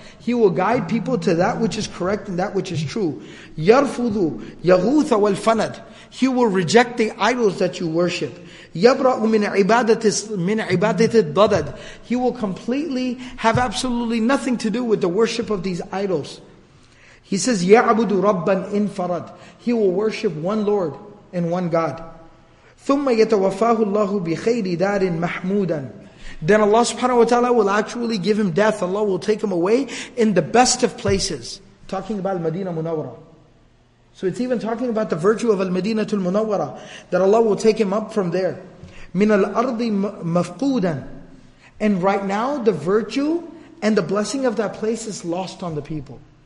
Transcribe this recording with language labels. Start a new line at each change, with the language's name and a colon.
English: He will guide people to that which is correct and that which is true.
Arabic: يرفض يغوث والفند.
English: He will reject the idols that you worship.
Arabic: يبرأ من عبادة الضدد.
English: He will completely have absolutely nothing to do with the worship of these idols. He says,
Arabic: يعبد ربا انفرد.
English: He will worship one Lord and one God.
Arabic: ثم يتوفاه الله بخير دار محمودا.
English: Then Allah subhanahu wa ta'ala will actually give him death. Allah will take him away in the best of places. Talking about Al-Madina Munawwara. So it's even talking about the virtue of Al-Madinatul Munawwara, that Allah will take him up from there.
Arabic: Min al-ardi mafqudan.
English: And right now, the virtue and the blessing of that place is lost on the people.